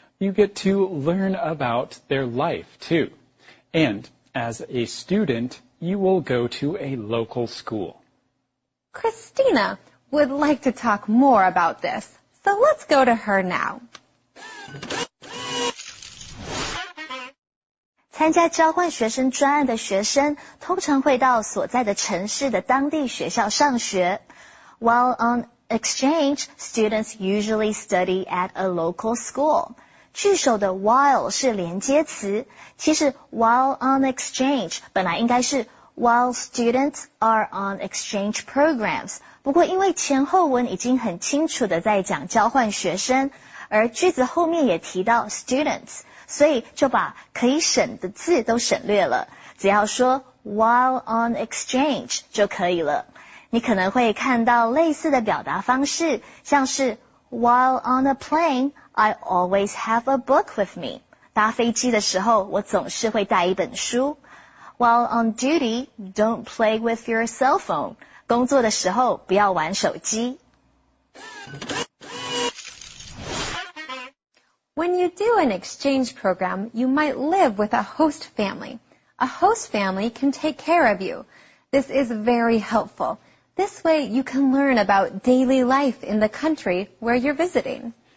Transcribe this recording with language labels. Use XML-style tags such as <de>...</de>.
<en>You get to learn about their life, too. And as a student, you will go to a local school. Christina would like to talk more about this, so let's go to her now.</en> <zh>参加交换学生专案的学生通常会到所在的城市的当地学校上学。</zh> <en>While on exchange, students usually study at a local school.</en> <zh>句首的 while 是连接词。其实 while on exchange 本来应该是</zh> <en>while students are on exchange programs.</en> <zh>不过因为前后文已经很清楚地在讲交换学生，而句子后面也提到 students,所以就把可以省的字都省略了，只要说</zh> <en>while on exchange 就可以了。你可能会看到类似的表达方式，像是 while on a plane, I always have a book with me.</en> <zh>搭飞机的时候我总是会带一本书。</zh> <en>While on duty, don't play with your cell phone.</en> <zh>工作的时候不要玩手机。</zh> <en>When you do an exchange program, you might live with a host family. A host family can take care of you. This is very helpful. This way, you can learn about daily life in the country where you're visiting.</en>